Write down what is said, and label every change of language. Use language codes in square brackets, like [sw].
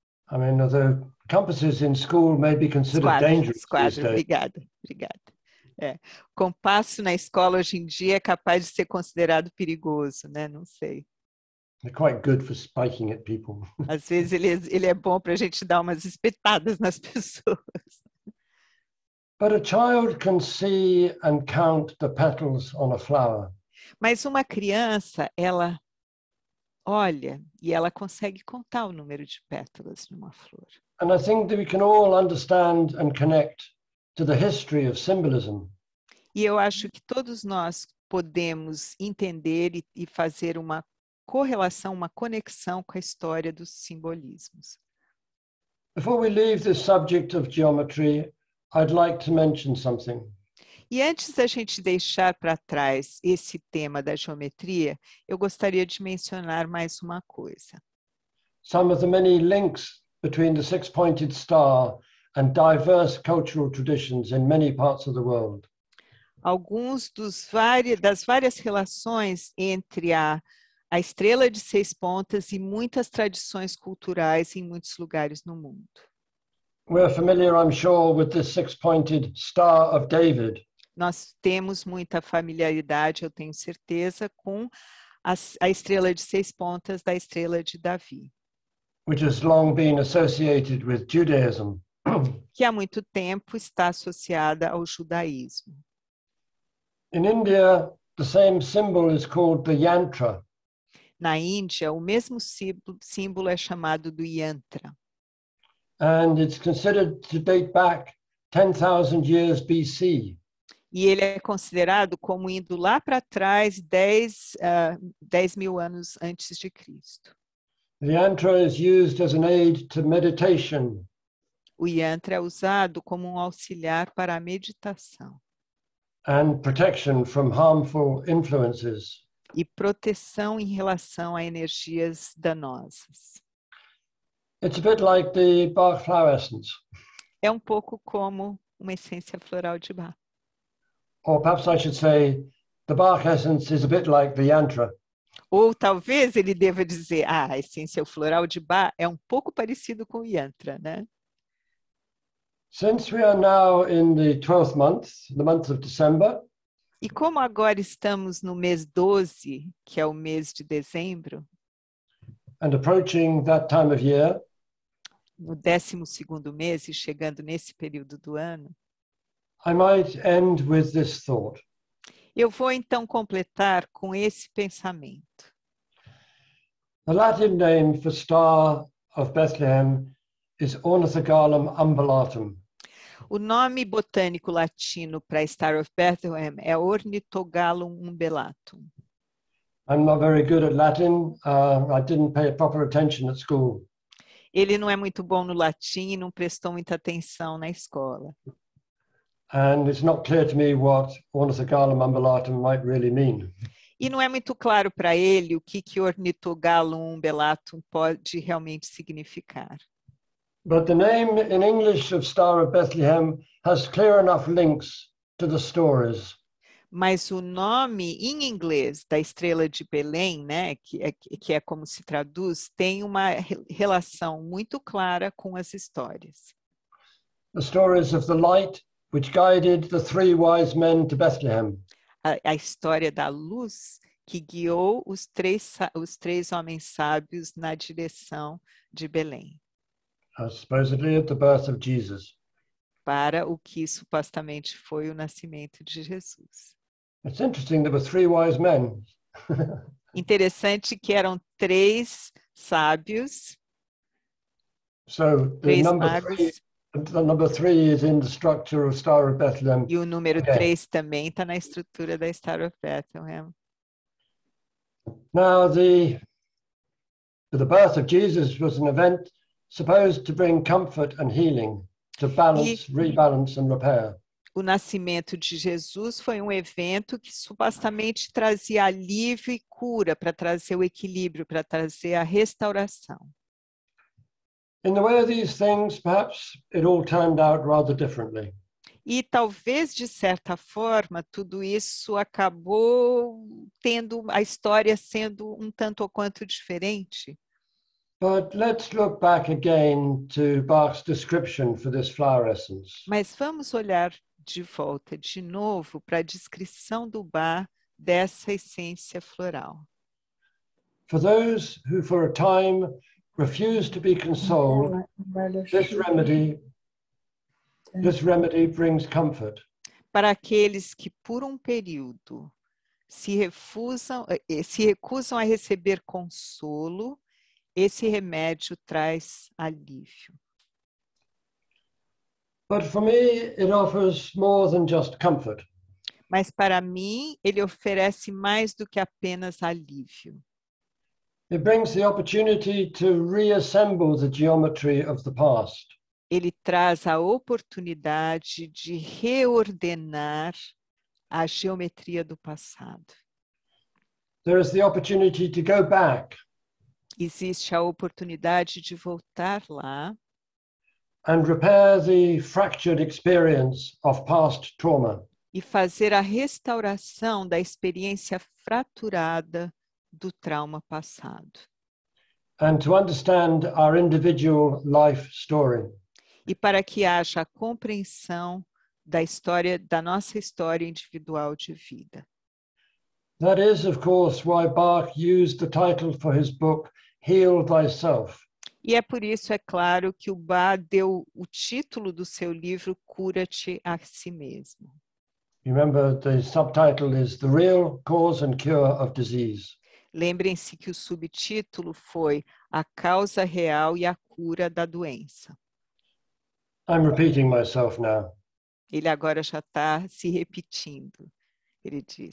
[en] I mean, the compasses in school may be considered dangerous. [pt] Obrigada. É. Compasso na escola hoje em dia é capaz de ser considerado perigoso, né? Não sei. [en] They're quite good for spiking at people. [pt] Às vezes ele é bom para a gente dar umas espetadas nas pessoas. [en] But a child can see and count the petals on a flower. [pt] Mas uma criança, ela olha, e ela consegue contar o número de pétalas de uma flor. [en] And I think that we can all understand and connect to the history of symbolism. [pt] E eu acho que todos nós podemos entender e fazer uma correlação, uma conexão com a história dos simbolismos. [en] Before we leave this subject of geometry, I'd like to mention something. [pt] E antes da gente deixar para trás esse tema da geometria, eu gostaria de mencionar mais uma coisa. [en] Some of the many links between the six-pointed star and diverse cultural traditions in many parts of the world. [pt] Alguns dos das várias relações entre a estrela de seis pontas e muitas tradições culturais em muitos lugares no mundo. [en] We're familiar, I'm sure, with the six-pointed star of David. [pt] Nós temos muita familiaridade, eu tenho certeza, com a estrela de seis pontas da estrela de Davi. [en] Which has long been associated with Judaism. [pt] Que há muito tempo está associada ao judaísmo. [en] In India, the same symbol is called the yantra. [pt] Na Índia, o mesmo símbolo é chamado do yantra. [en] And it's considered to date back 10,000 years BC. [pt] E ele é considerado como indo lá para trás 10 mil anos antes de Cristo. [en] The yantra is used as an aid to meditation. [pt] O yantra é usado como um auxiliar para a meditação. [en] And protection from harmful influences. [pt] E proteção em relação a energias danosas. [en] It's a bit like the Bach flower essence. [pt] É um pouco como uma essência floral de Bach. [en] Or perhaps I should say, the Bach essence is a bit like the yantra. [pt] Ou talvez ele deva dizer, a essência floral de Bach é um pouco parecido com o yantra, né? [en] Since we are now in the 12th month, the month of December. [pt] E como agora estamos no mês 12, que é o mês de dezembro. [en] And approaching that time of year. [pt] No 12º mês e chegando nesse período do ano. [en] I might end with this thought. [pt] Eu vou então completar com esse pensamento. [en] The Latin name for Star of Bethlehem is Ornithogalum umbellatum. [pt] O nome botânico latino para Star of Bethlehem é Ornithogalum umbellatum. [en] I'm not very good at Latin. I didn't pay proper attention at school. [pt] Ele não é muito bom no latim e não prestou muita atenção na escola. [en] And it's not clear to me what Ornithogalum umbellatum might really mean. [pt] E não é muito claro para ele o que Ornithogalum umbellatum pode realmente significar. [en] But the name in English of Star of Bethlehem has clear enough links to the stories. [pt] Mas o nome em inglês da Estrela de Belém, né, que é como se traduz, tem uma relação muito clara com as histórias. [en] The stories of the light which guided the three wise men to Bethlehem. [pt] A história da luz que guiou os três homens sábios na direção de Belém. [en] Supposedly at the birth of Jesus. [pt] Para o que supostamente foi o nascimento de Jesus. [en] It's interesting there were three wise men. [pt] Interessante que eram três sábios. [en] So the number three is in the structure of Star of Bethlehem. [pt] E o número três também está na estrutura da Star of Bethlehem. [en] Now the birth of Jesus was an event supposed to bring comfort and healing, to balance, rebalance and repair. [pt] O nascimento de Jesus foi um evento que supostamente trazia alívio e cura, para trazer o equilíbrio, para trazer a restauração. [en] In the way of these things, perhaps it all turned out rather differently. [pt] E talvez, de certa forma, tudo isso acabou tendo a história sendo um tanto ou quanto diferente. [en] But let's look back again to Bach's description for this flower essence. [pt] Mas vamos olhar de volta, de novo, para a descrição do Bach dessa essência floral. [en] For those who for a time refuse to be consoled, this remedy brings comfort. [pt] Para aqueles que por um período se recusam a receber consolo, esse remédio traz alívio. [en] But for me, it offers more than just comfort. [pt] Mas para mim, ele oferece mais do que apenas alívio. [en] It brings the opportunity to reassemble the geometry of the past. [pt] Ele traz a oportunidade de reordenar a geometria do passado. [en] There is the opportunity to go back. [pt] existe a oportunidade de voltar lá. [en] And repair the fractured experience of past trauma. [pt] E fazer a restauração da experiência fraturada do trauma passado. [en] And to understand our individual life story. [pt] E para que haja a compreensão da história, da nossa história individual de vida. [en] That is, of course, why Bach used the title for his book, Heal Thyself. [pt] E é por isso, é claro, que o Bach deu o título do seu livro, Cura-te a si mesmo. [en] Remember, the subtitle is The Real Cause and Cure of Disease. [pt] Lembrem-se que o subtítulo foi A Causa Real e a Cura da Doença. [en] I'm repeating myself now. [pt] Ele agora já está se repetindo, ele disse.